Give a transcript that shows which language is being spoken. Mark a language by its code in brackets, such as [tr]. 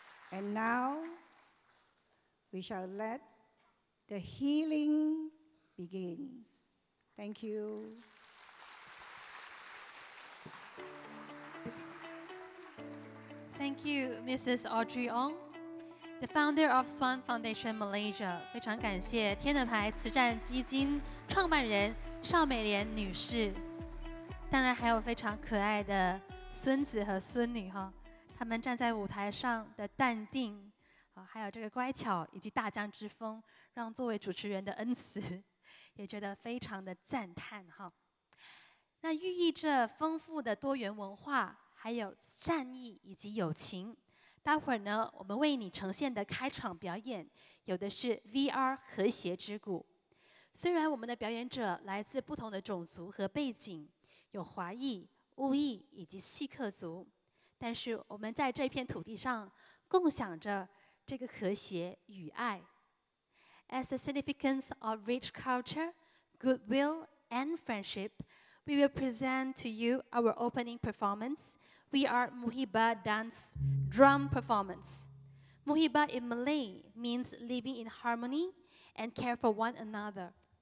[en] And now, we shall let the healing begin. Thank you. Thank you, Mrs. Audrey Ong, the founder of Swan Foundation Malaysia. [zh] 非常感谢天鹅牌慈善基金创办人邵美莲女士。当然还有非常可爱的孙子和孙女哈，他们站在舞台上的淡定，还有这个乖巧以及大将之风，让作为主持人的恩慈也觉得非常的赞叹哈。那寓意着丰富的多元文化，还有善意以及友情。待会儿呢，我们为你呈现的开场表演有的是 VR 和谐之鼓。虽然我们的表演者来自不同的种族和背景，有华裔、巫裔以及锡克族，但是我们在这片土地上共享着这个和谐与爱。 [en] As the significance of rich culture, goodwill and friendship, we will present to you our opening performanceVR Muhibah dance drum performance. Muhibah in Malay means living in harmony and care for one another.